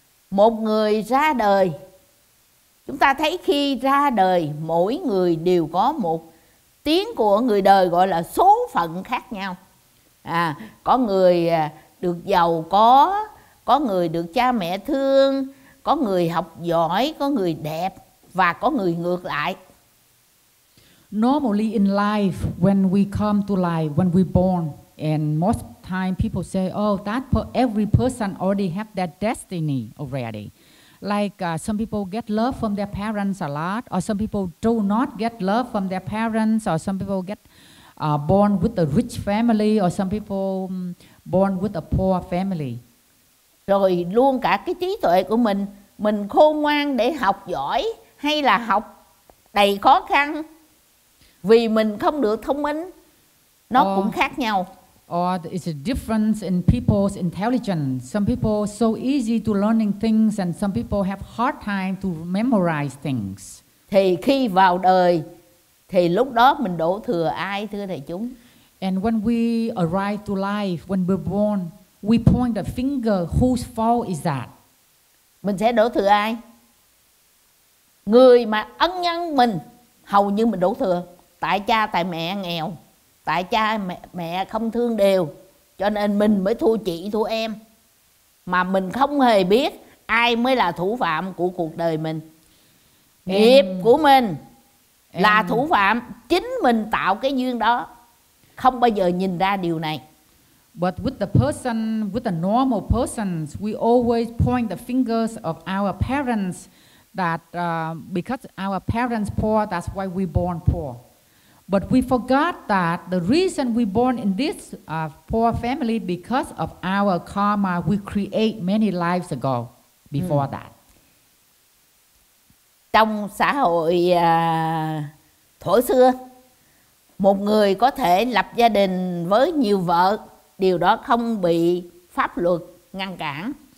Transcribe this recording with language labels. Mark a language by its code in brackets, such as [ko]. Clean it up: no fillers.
[vi] Một người ra đời, chúng ta thấy khi ra đời mỗi người đều có một tiếng của người đời gọi là số phận khác nhau. Có người được giàu có người được cha mẹ thương, có người học giỏi, có người đẹp và có người ngược lại. [en] Normally in life, when we come to life, when we born, and most time people say, oh, that every person already have that destiny already. Like some people get love from their parents a lot, or some people do not get love from their parents, or some people get born with a rich family, or some people born with a poor family. [vi] Rồi luôn cả cái trí tuệ của mình khôn ngoan để học giỏi hay là học đầy khó khăn vì mình không được thông minh, nó cũng khác nhau. [en] Or it's a difference in people's intelligence. Some people are so easy to learning things and some people have hard time to memorize things. [vi] Thì khi vào đời thì lúc đó mình đổ thừa ai, thưa thầy chúng? [en] And when we arrive to life, when we're born, we point the finger, whose fault is that? [vi] Mình sẽ đổ thừa ai? Người mà ân nhân mình, hầu như mình đổ thừa. Tại cha, tại mẹ nghèo, tại cha mẹ không thương đều, cho nên mình mới thua chị thua em, mà mình không hề biết ai mới là thủ phạm của cuộc đời mình. Nghiệp của mình là thủ phạm, chính mình tạo cái duyên đó, không bao giờ nhìn ra điều này. [en] But with the person, with a normal person, we always point the fingers of our parents that because our parents poor, that's why we born poor. But we forgot that the reason we born in this poor family because of our karma we create many lives ago before that. [vi] Trong xã hội thổ xưa, một người có thể lập gia đình với nhiều vợ, điều đó không bị pháp luật ngăn cản.